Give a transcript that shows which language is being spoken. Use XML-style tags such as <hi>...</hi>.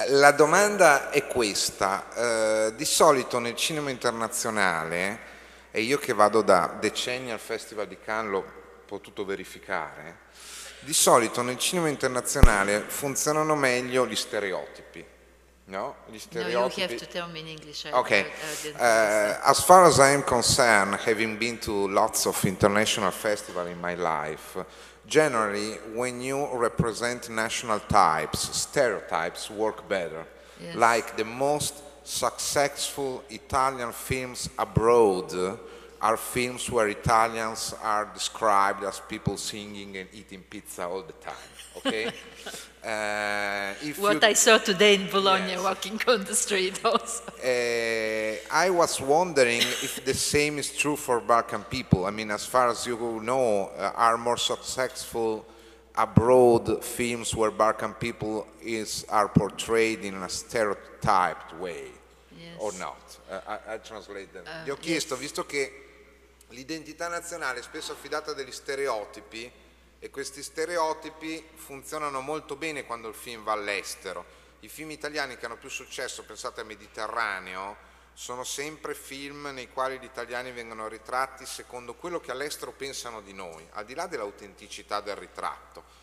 <it>La domanda è questa, di solito nel cinema internazionale, e io che vado da decenni al Festival di Cannes l'ho potuto verificare, di solito nel cinema internazionale funzionano meglio gli stereotipi. No, gli stereotipi.</it> <en>No, you have to tell me in English. Okay. As far as I am concerned, having been to lots of international festivals in my life, generally when you represent national types, stereotypes work better. Yes. Like the most successful Italian films abroad are films where Italians are described as people singing and eating pizza all the time. Okay. I saw today in Bologna, yes, walking on the street also. I was wondering if the same is true for Balkan people. I mean, as far as you know, are more successful abroad films where Balkan people are portrayed in a stereotyped way, yes, or not? I translate them.</en> <it>Gli ho chiesto,</it> <en>yes,</en> <it>visto che l'identità nazionale è spesso affidata a degli stereotipi, e questi stereotipi funzionano molto bene quando il film va all'estero. I film italiani che hanno più successo, pensate a Mediterraneo, sono sempre film nei quali gli italiani vengono ritratti secondo quello che all'estero pensano di noi, al di là dell'autenticità del ritratto.</it>